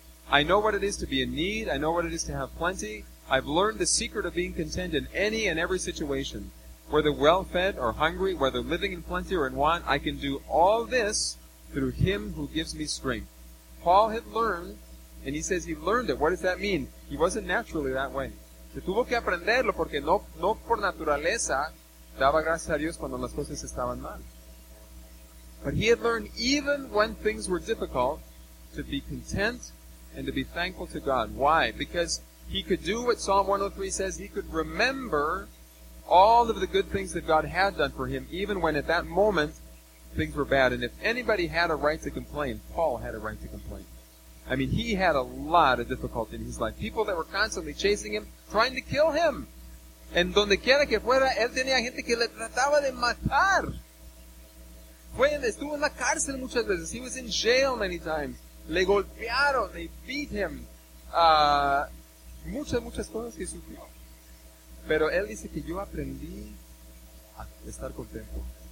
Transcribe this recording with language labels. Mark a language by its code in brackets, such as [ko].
[en] I know what it is to be in need. I know what it is to have plenty. I've learned the secret of being content in any and every situation. Whether well-fed or hungry, whether living in plenty or in want, I can do all this through Him who gives me strength. Paul had learned, and he says he learned it. What does that mean? He wasn't naturally that way. [es] Se tuvo que aprenderlo porque no por naturaleza daba gracias a Dios cuando las cosas estaban mal. [en] But he had learned, even when things were difficult, to be content and to be thankful to God. Why? Because he could do what Psalm 103 says. He could remember all of the good things that God had done for him, even when at that moment things were bad. And if anybody had a right to complain, Paul had a right to complain. I mean, he had a lot of difficulty in his life. People that were constantly chasing him, trying to kill him. [es] En donde quiera que fuera, él tenía gente que le trataba de matar. Estuvo en la cárcel muchas veces. [en] He was in jail many times. [es] Le golpearon, [en] they beat him. [es] Muchas cosas que sufrió. Pero él dice que yo aprendí a estar contento.